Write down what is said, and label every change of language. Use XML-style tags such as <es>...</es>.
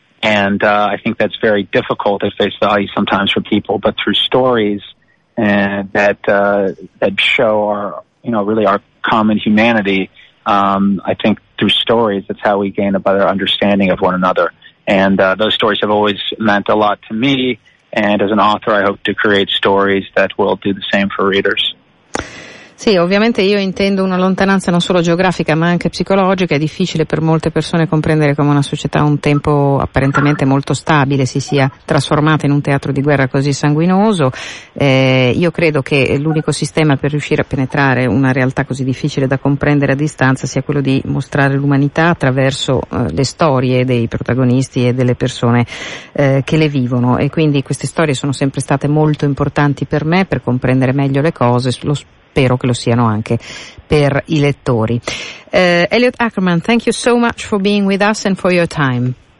<en>And I think that's very difficult at face value sometimes for people, but through stories that show our common humanity, I think through stories, that's how we gain a better understanding of one another. And those stories have always meant a lot to me. And as an author, I hope to create stories that will do the same for readers.</en> <it>Sì, ovviamente io intendo una lontananza non solo geografica ma anche psicologica. È difficile per molte persone comprendere come una società un tempo apparentemente molto stabile si sia trasformata in un teatro di guerra così sanguinoso. Io credo che l'unico sistema per riuscire a penetrare una realtà così difficile da comprendere a distanza sia quello di mostrare l'umanità attraverso le storie dei protagonisti e delle persone che le vivono, e quindi queste storie sono sempre state molto importanti per me per comprendere meglio le cose. Spero che lo siano anche per i lettori.</it> <en>Elliot Ackerman, thank you so much for being with us and for your time.</en>